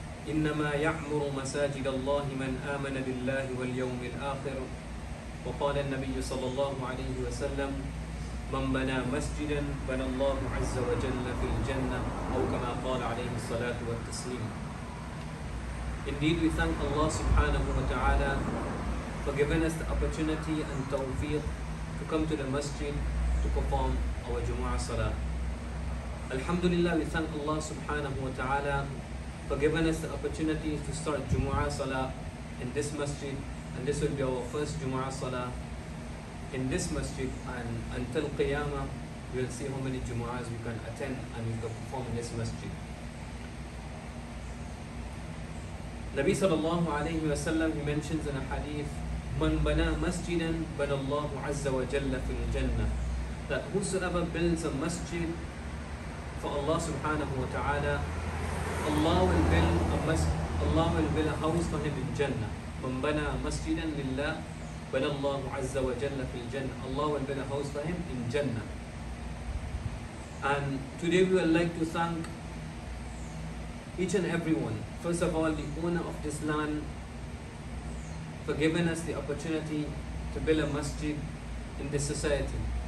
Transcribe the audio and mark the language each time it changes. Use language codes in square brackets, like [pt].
[ar] إنما يعمر مساجد الله من آمن بالله واليوم الآخر، وقال النبي صلى الله عليه وسلم: من بنى مسجدا بنى الله عز وجل في الجنة، أو كما قال عليه الصلاة والتسليم. [en] Indeed, we thank Allah subhanahu wa ta'ala for giving us the opportunity and tawfiq to come to the masjid to perform our Jumu'ah Salah. Alhamdulillah, we thank Allah subhanahu wa ta'ala for giving us the opportunity to start Jumu'ah Salah in this masjid, and this will be our first Jumu'ah Salah in this masjid, and until Qiyamah we will see how many Jumu'ahs we can attend and we can perform in this masjid. Nabi sallallahu alayhi wa sallam, he mentions in a hadith, [ar] man bana masjidan bana Allahu azza wa jalla fil jannah, [en] that whosoever builds a masjid for Allah subhanahu wa ta'ala, Allah will build a house for him in Jannah. [ar] من بنى مسجدا لله بنى الله عز وجل في الجنة. [en] Allah will build a house for him in Jannah. And today we would like to thank each and everyone. First of all, the owner of this land for giving us the opportunity to build a masjid in this society.